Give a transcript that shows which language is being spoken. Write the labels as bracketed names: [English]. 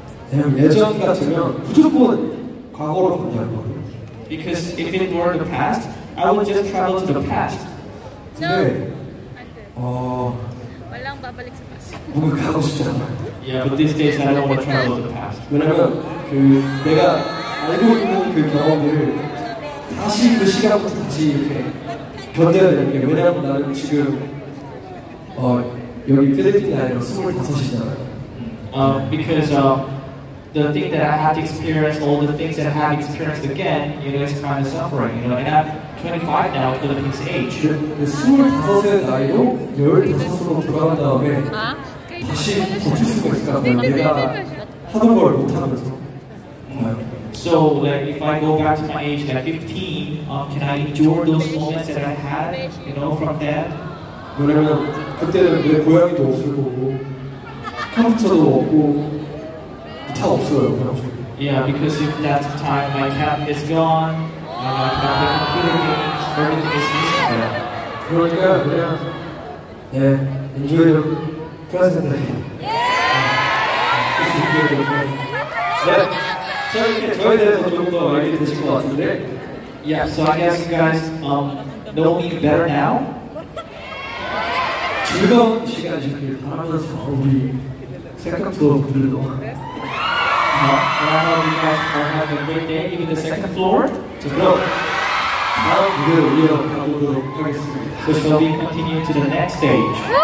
[Korean] 왜냐면 예전 같으면 무조건 과거로 간다는 거예요. [English] Because if it were the past, I would just travel to the past. No. 말랑 바발릭 스파스. [Korean] 뭔가 가고 싶잖아. [English] Yeah, but these days I don't want to travel to the past. [Korean] 왜냐면 그 내가 알고 있는 그 경험을 다시 그 시간부터 다시 이렇게 견뎌야 되는 게, 왜냐면 나는 지금 여기 필리핀 나이로 25이잖아요. [English] Because the thing that I have to experience, all the things that I have experienced again, you know, it's kind of suffering, you know, and I'm 25 now, Philippine's age. [Korean] 25세 나이로 15으로 돌아간 다음에 다시 고칠 수가 있을까? 내가 하던 걸 못하면서. [English] So, like, if I go back to my age, like 15, can I endure those moments that I had, you know, from that? [Korean] 왜냐면 그때는 내 고양이도 없을 거고, 캐릭터도 없고, 다 없어요, 그냥. [English] Yeah, because if that's the time my cat is gone, and I can't play computer games, everything is missing. [Korean] 그러니까 그냥, 네, [English] enjoy your present day. Yeah! It's enjoy your present day. [Korean] 저에 대해서 좀 더 알게 되신 것 같은데. [English] Yeah, so I guess you guys know me better now. [Korean] 즐거운 시간 주길 바라면서 우리 [English] second floor [Korean] 분들도. [English] And I hope you guys are having a great day in the second floor. [Korean] 자, 그럼 다음 무대로 이어가도록 하겠습니다. [English] So shall we continue to the next stage?